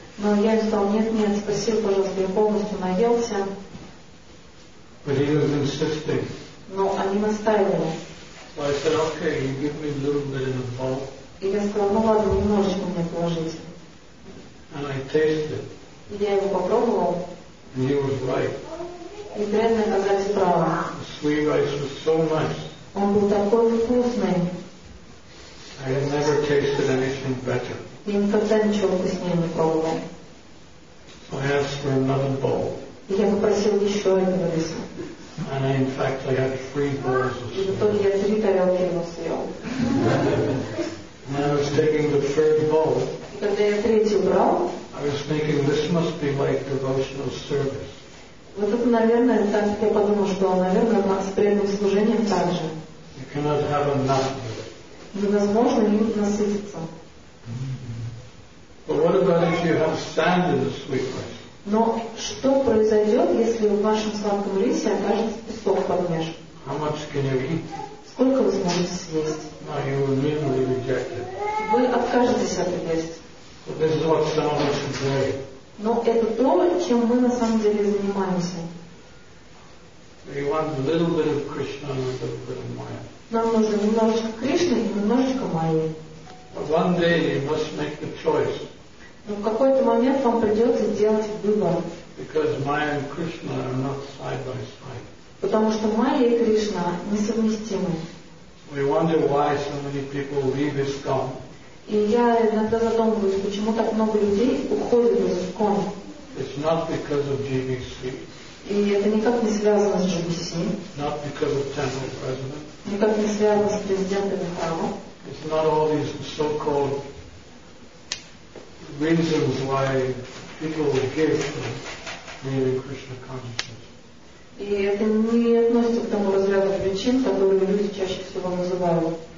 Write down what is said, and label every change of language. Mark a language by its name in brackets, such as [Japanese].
[Russian] Но я сказал, нет, спасибо, пожалуйста, я полностью наелся. [English] But he was insisting. [Russian] Но они настаивали. [English] So I said, okay, you give me a little bit in the bowl. [Russian] И я сказал, ну ладно, немножечко мне положите. [English] And I tasted. [Russian] И я его попробовал. [English] And he was right. [Russian] И преданно оказались правы. [English] The sweet rice was so nice. [Russian] Он был такой вкусный. [English] I had never tasted anything better. [Russian] Я никогда ничего вкуснее не пробовал. [English] So I asked for another bowl. [Russian] Я попросил еще одного риса. [English] And I, in fact, I had three bowls of [Russian] soup. И в итоге я три тарелки его съел. [English] And I was taking the third bowl, [Russian] когда я третью брал, [English] I was thinking this must be like devotional service. [Russian] Вот это, наверное, так я подумал, что, наверное, с преданным служением также. [English] You cannot have enough of it. [Russian] Невозможно не насытиться. [English] But what about if you have sand in the sweetness? [Russian] Но что произойдет, если в вашем сладком рисе окажется песок под меж? [English] How much can you eat? [Russian] Сколько вы сможете съесть? [English] No, you will immediately reject it. [Russian] Вы откажетесь от есть. [English] But this is what some of us today. [Russian] Но это то, чем мы на самом деле занимаемся. [English] We want a little bit of Krishna and a little bit of Maya. [Russian] Нам нужно немножечко Кришны и немножечко Майи. [English] But one day you must make the choice. [Russian] Но в какой-то момент вам придется сделать выбор. [English] Because Maya and Krishna are not side by side. [Russian] Потому что Майя и Кришна несовместимы. [English] We wonder why so many people leave ISKCON. [Russian] И я иногда задумываюсь, почему так много людей уходят из ISKCON. [English] It's not because of GBC. [Russian] И это никак не связано с GBC. [English] Not because of temple president. [Russian] Никак не связано с президентом храма. [English] It's not all these so-called reasons why people give to leaving Krishna consciousness. [Russian] И это не относится к тому разряду причин, которые люди чаще всего называют.